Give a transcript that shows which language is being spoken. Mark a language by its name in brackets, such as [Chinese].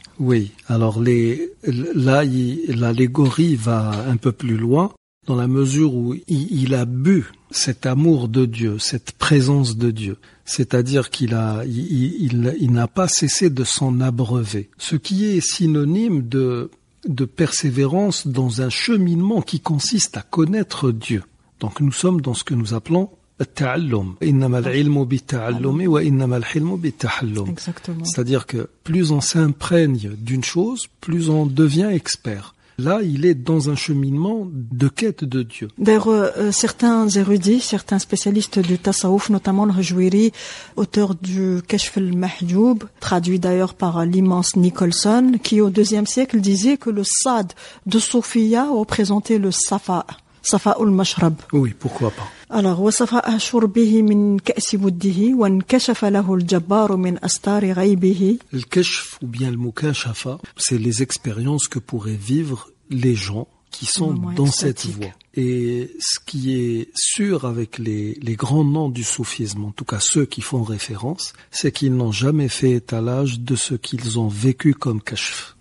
[French] Oui, alors l'allégorie va un peu plus loin, dans la mesure où il a bu cet amour de Dieu, cette présence de Dieu. C'est-à-dire qu'il a, il n'a pas cessé de s'en abreuver. Ce qui est synonyme de persévérance dans un cheminement qui consiste à connaître Dieu. Donc nous sommes dans ce que nous appelons التعلم. [Arabic] إنما العلم بالتعلم وإنما الحلم بالتحلم. [French] Exactement. C'est-à-dire que plus on s'imprègne d'une chose, plus on devient expert. Là, il est dans un cheminement de quête de Dieu. D'ailleurs, certains érudits, certains spécialistes du tasawuf, notamment le Rajwiri, auteur du Kashf al-Mahjoub, traduit d'ailleurs par l'immense Nicholson, qui au IIe siècle disait que le Sad de Sophia représentait le Safa, Safa al-Mashrab. Oui, pourquoi pas. [Arabic] Alors, وَصَفَأَ شُرْبِهِ مِنْ كَأْسِ بُدِّهِ وَانْكَشَفَ لَهُ الْجَبَّارُ مِنْ أَسْتَارِ غَيْبِهِ. [French] Le kashf ou bien le mukashafa, c'est les expériences que pourraient vivre les gens qui sont dans cette voie. Et ce qui est sûr avec les grands noms du soufisme, en tout cas ceux qui font référence, c'est qu'ils n'ont jamais fait étalage de ce qu'ils ont vécu comme kashf.